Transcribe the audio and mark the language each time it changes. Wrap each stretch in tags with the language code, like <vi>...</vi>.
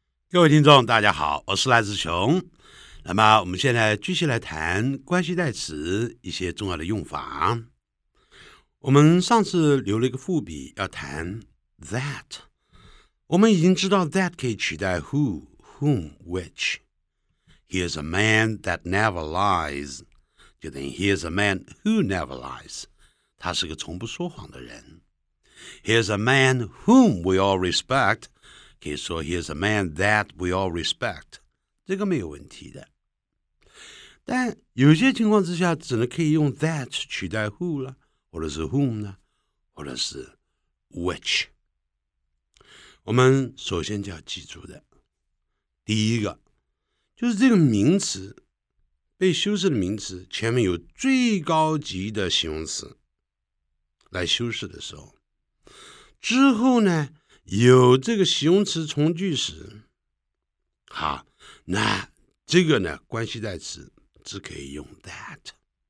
<zh>各位听众大家好，我是赖志雄。那么我们现在继续来谈关系代词一些重要的用法。我们上次留了一个伏笔要谈 that， 我们已经知道 that 可以取代 who， whom， which。</zh> <en>He is a man that never lies</en> <zh>就等于</zh> <en>he is a man who never lies，</en> <zh>他是个从不说谎的人。</zh> <en>He is a man whom we all respect，</en> <zh>可以说</zh> <en>he is a man that we all respect， 这个没有问题的。</en> <zh>但有些情况之下只能可以用 that 取代 who 了，或者是 whom 呢，或者是 which。我们首先就要记住的第一个就是这个名词被修饰的名词前面有最高级的形容词来修饰的时候，之后呢有这个形容词从句时，好，那这个呢关系代词只可以用 that。</zh>